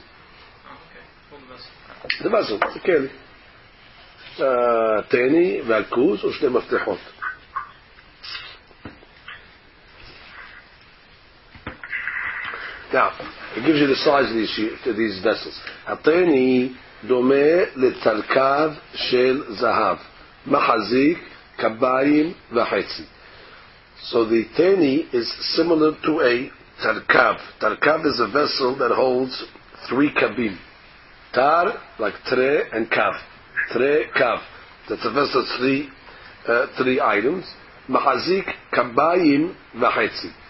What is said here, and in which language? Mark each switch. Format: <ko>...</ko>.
<en>Oh, okay. The vessel. It's a key. Teni, Valkuz, or Shnei Maftechot. Now, it gives you the size of these vessels.</en> <he>A teni, דומה לצלקב של זהב מחזיק קביים וחצי.</he> <en>So the teni is similar to a tarkav. Tarkav is a vessel that holds three kabim. Tar, like tre, and kav. Tre, kav. That's a vessel of three items.</en> <he>מחזיק קביים וחצי.</he>